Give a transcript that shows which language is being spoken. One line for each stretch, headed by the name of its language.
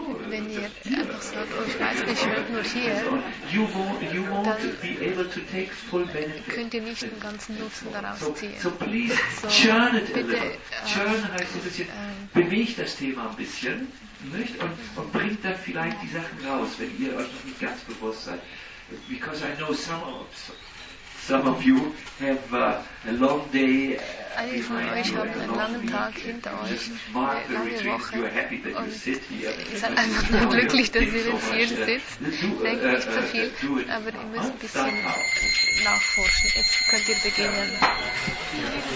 German: Wenn ihr einfach sagt, oh, ich weiß nicht, ich bin nur hier, dann könnt ihr nicht den ganzen Nutzen daraus ziehen.
English: So please, churn it a little.
German: Churn heißt ein bisschen, bewegt das Thema ein bisschen. Und bringt dann vielleicht die Sachen raus, wenn ihr euch noch nicht ganz bewusst seid.
English: Because I know some of you have a long day.
German: Einige von euch haben einen langen Tag hinter euch, eine lange Woche. Ihr seid einfach nur glücklich, dass ihr jetzt hier sitzt. Denkt nicht so viel, aber ihr müsst ein bisschen nachforschen. Jetzt könnt ihr beginnen.